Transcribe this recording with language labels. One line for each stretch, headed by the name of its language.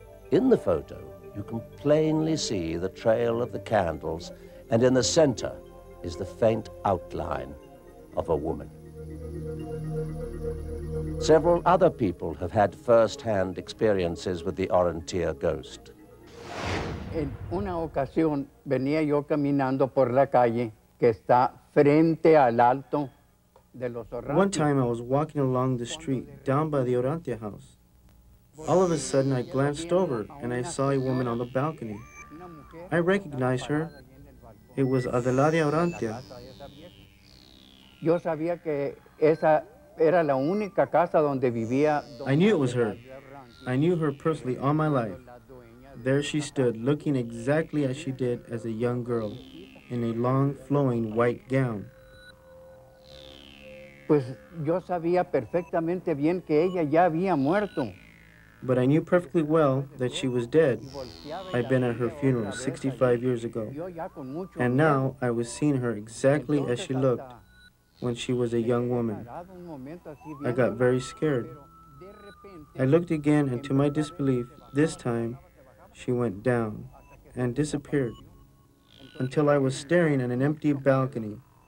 English: In the photo, you can plainly see the trail of the candles, and in the center is the faint outline of a woman. Several other people have had first-hand experiences with the Orrantia ghost.
Spanish: En una ocasión venía yo caminando por la calle que está frente al alto de los Orrantia.
English: One time I was walking along the street down by the Orrantia house. All of a sudden I glanced over and I saw a woman on the balcony. I recognized her. It was Adelaria Orrantia.
Spanish: Yo sabía que esa era la única casa donde vivía.
English: I knew it was her. I knew her personally all my life. There she stood, looking exactly as she did as a young girl, in a long, flowing white gown.
Spanish: Pues yo sabía perfectamente bien que ella ya había muerto.
English: But I knew perfectly well that she was dead. I'd been at her funeral 65 years ago. And now I was seeing her exactly as she looked when she was a young woman. I got very scared. I looked again, and to my disbelief, this time, she went down and disappeared until I was staring at an empty balcony.